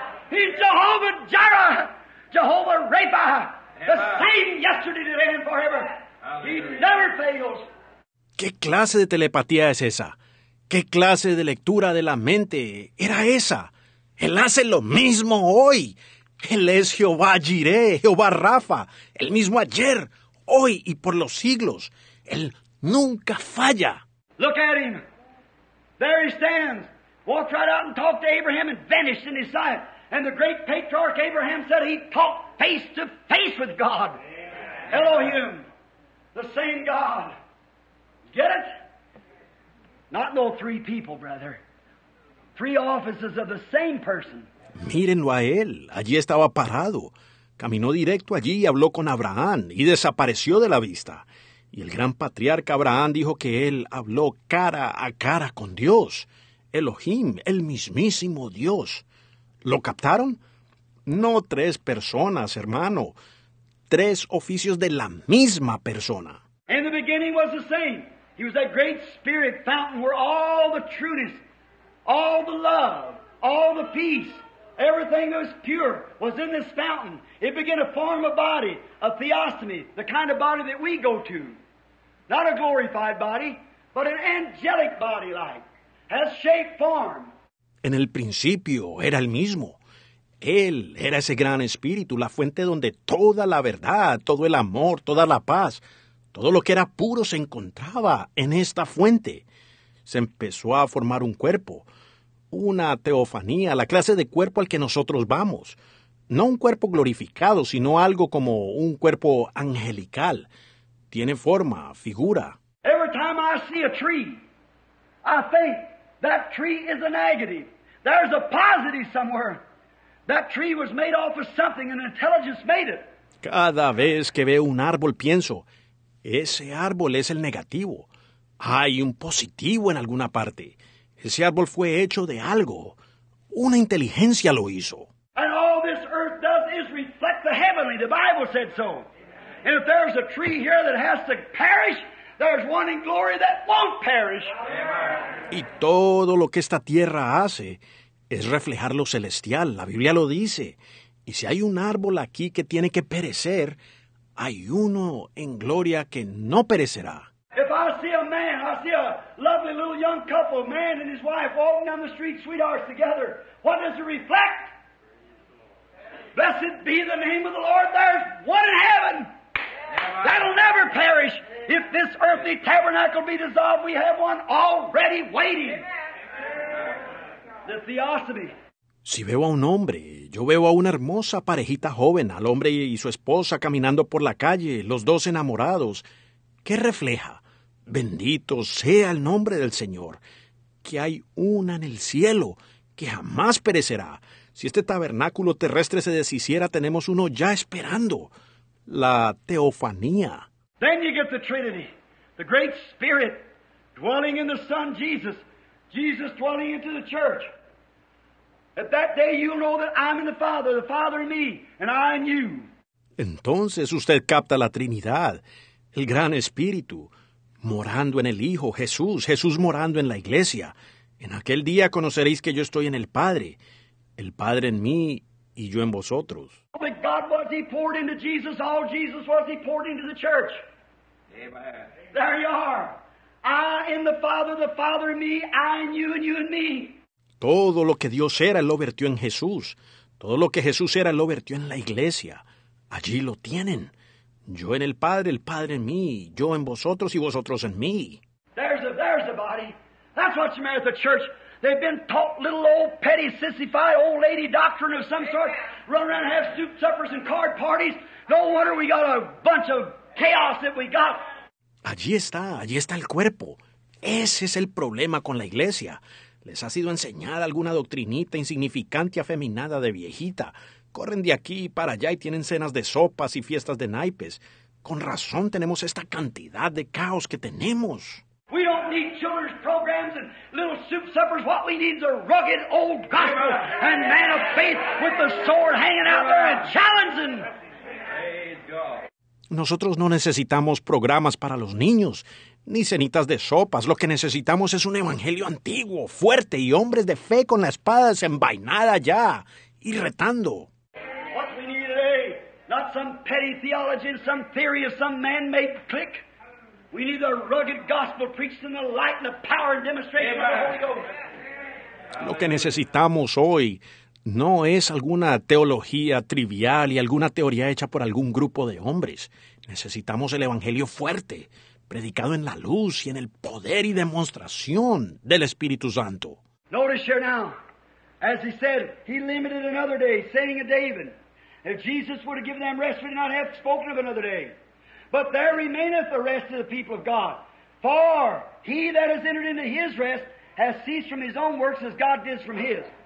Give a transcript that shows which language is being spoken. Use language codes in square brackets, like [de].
[en] He's Jehovah Jireh, Jehovah Rapha, the same yesterday, today, and forever. He never fails. [es] ¿Qué clase de telepatía es esa? ¿Qué clase de lectura de la mente era esa? Él hace lo mismo hoy. Él es Jehová Jireh, Jehová Rafa, el mismo ayer, hoy y por los siglos. Él nunca falla. [en] Look at him. There he stands. Walked right out and talked to Abraham and vanished in his sight. And the great patriarch Abraham said he talked face to face with God. Amen. Elohim. The same God. Get it? Not no three people, brother. Three offices of the same person. [es] Mírenlo a él. Allí estaba parado. Caminó directo allí y habló con Abraham y desapareció de la vista. Y el gran patriarca Abraham dijo que él habló cara a cara con Dios. Elohim, el mismísimo Dios. ¿Lo captaron? No tres personas, hermano. Tres oficios de la misma persona. [en] In the beginning was the same. He was that great spirit fountain where all the trueness, all the love, all the peace, everything that was pure was in this fountain. It began to form a body, a theostomy, the kind of body that we go to. Not a glorified body, but an angelic body-like, has shape, form. [es] En el principio era el mismo. Él era ese gran espíritu, la fuente donde toda la verdad, todo el amor, toda la paz, todo lo que era puro se encontraba en esta fuente. Se empezó a formar un cuerpo, una teofanía, la clase de cuerpo al que nosotros vamos. No un cuerpo glorificado, sino algo como un cuerpo angelical. Tiene forma, figura. [en] Every time I see a tree, I think that tree is a negative. There's a positive somewhere. That tree was made off of something and intelligence made it. [es] Cada vez que veo un árbol, pienso, ese árbol es el negativo. Hay un positivo en alguna parte. Ese árbol fue hecho de algo. Una inteligencia lo hizo. [en] And all this earth does is reflect the heavenly. The Bible said so. And if there's a tree here that has to perish, there's one in glory that won't perish. [es] Y todo lo que esta tierra hace es reflejar lo celestial. La Biblia lo dice. Y si hay un árbol aquí que tiene que perecer, hay uno en gloria que no perecerá. [en] If I see a man, I see a lovely little young couple, man and his wife walking down the street, sweethearts together, what does it reflect? Blessed be the name of the Lord, there's one in heaven. That'll never perish. If this earthly tabernacle be dissolved, we have one already waiting. The theosophy. [es] Si veo a un hombre, yo veo a una hermosa parejita joven, al hombre y su esposa caminando por la calle, los dos enamorados. ¿Qué refleja? Bendito sea el nombre del Señor, que hay una en el cielo que jamás perecerá. Si este tabernáculo terrestre se deshiciera, tenemos uno ya esperando. La teofanía. [en] Then you get the Trinity, the great spirit dwelling in the Son Jesus, Jesus dwelling into the church. At that day you'll know that I'm in the Father in me, and I in you. [es] Entonces usted capta la Trinidad, el gran espíritu, morando en el Hijo, Jesús, Jesús morando en la iglesia. En aquel día conoceréis que yo estoy en el Padre en mí y yo en vosotros. [en] But God was he poured into Jesus, all Jesus was he poured into the church. Amen. There you are. I in the Father in me, I in you and you in me. [es] Todo lo que Dios era, él lo vertió en Jesús. Todo lo que Jesús era, él lo vertió en la iglesia. Allí lo tienen. Yo en el Padre en mí, yo en vosotros y vosotros en mí. [en] There's a body. That's what you mean at the church. They've been taught little old petty sissified old lady doctrine of some sort. Run around and have soup suppers and card parties. No wonder we got a bunch of chaos that we got. [es] Allí está el cuerpo. Ese es el problema con la iglesia. Les ha sido enseñada alguna doctrinita insignificante afeminada de viejita. Corren de aquí para allá y tienen cenas de sopas y fiestas de naipes. Con razón tenemos esta cantidad de caos que tenemos. [en] We don't need children's programs and little soup suppers. What we need is a rugged old gospel and man of faith with the sword hanging out there and challenging. [es] Nosotros no necesitamos programas para los niños, ni cenitas de sopas. Lo que necesitamos es un evangelio antiguo, fuerte, y hombres de fe con la espada desenvainada ya y retando. [en] What we need today, not some petty theology and some theory of some man-made clique. We need a rugged gospel preached in the light and the power and demonstration of the Holy Ghost. [es] Lo que necesitamos hoy no es alguna teología trivial y alguna teoría hecha por algún grupo de hombres. Necesitamos el evangelio fuerte, predicado en la luz y en el poder y demostración del Espíritu Santo. [en] Notice here now, as he said, he limited another day, saying to David, if Jesus would have given them rest, we'd not have spoken of another day. But there remaineth the rest of the people of God. For he that has entered into his rest has ceased from his own works as God did from his.